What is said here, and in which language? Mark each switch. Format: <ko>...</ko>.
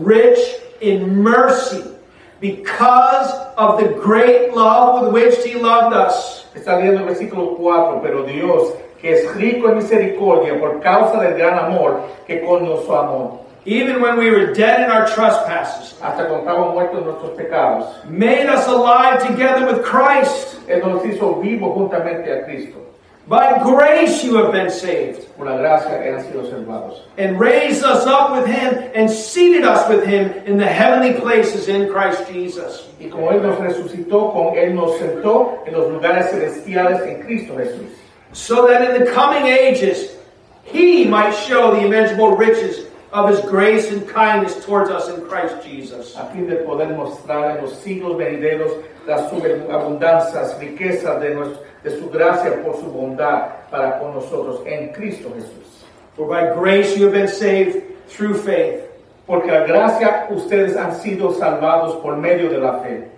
<en>rich in mercy, because of the great love with which He loved us.</en> <es>Está leyendo el versículo 4, pero Dios, que es rico en misericordia por causa del gran amor que con nos amó.</es> <en>Even when we were dead in our trespasses,</en> <es>hasta cuando estábamos muertos en nuestros pecados,</es> <en>made us alive together with Christ.</en> <es>Él nos hizo vivo juntamente a Cristo.</es> <en>By grace you have been saved.</en> <es>Por la gracia que han sido salvados.</es> <en>And raised us up with Him and seated us with Him in the heavenly places in Christ Jesus.</en> <es>Y como Él nos resucitó, con Él nos sentó en los lugares celestiales en Cristo Jesús.</es> <en>So that in the coming ages, He might show the immeasurable riches of His grace and kindness towards us in Christ Jesus.</en> <es>A fin de poder mostrar en los siglos venideros las superabundancias, riquezas de su gracia por su bondad para con nosotros en Cristo Jesús.</es> <en>For by grace you have been saved through faith.</en> <es>Porque la gracia ustedes han sido salvados por medio de la fe.</es>